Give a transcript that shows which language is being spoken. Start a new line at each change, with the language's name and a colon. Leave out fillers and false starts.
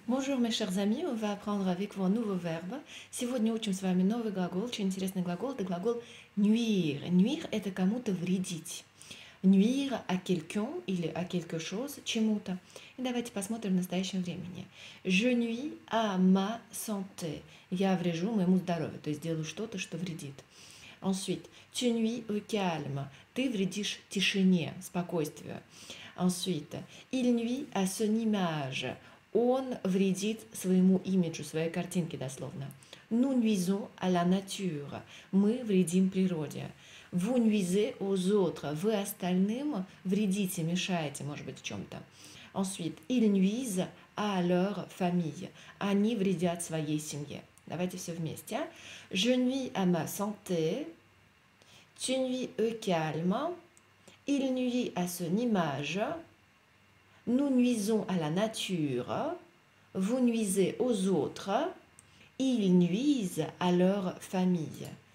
French: Bonjour mes chers amis, on va apprendre avec vous un nouveau verbe.
Russian: Сегодня учим с вами новый глагол, очень интересный глагол, это глагол nuire. Nuire это кому-то вредить.
French: Nuire à quelqu'un или à quelque chose, чему-то.
Russian: И давайте посмотрим в настоящем времени.
French: Je nuis à ma santé.
Russian: Я вряжу моему здоровью, то есть делаю что-то, что вредит.
French: Ensuite, tu nuis au calme.
Russian: Ты вредишь тишине, спокойствию.
French: Ensuite, il nuit à son image.
Russian: Он вредит своему имиджу, своей картинке дословно.
French: Nous nuisons à la nature.
Russian: Мы вредим природе.
French: Vous nuisez aux autres.
Russian: Вы остальным вредите, мешаете, может быть, в чем-то.
French: Ensuite, ils nuisent à leur famille.
Russian: Они вредят своей семье. Давайте все вместе.
French: Je nuis à ma santé. Tu nuis au calme. Il nuit à son image. Nous nuisons à la nature, vous nuisez aux autres, ils nuisent à leur famille.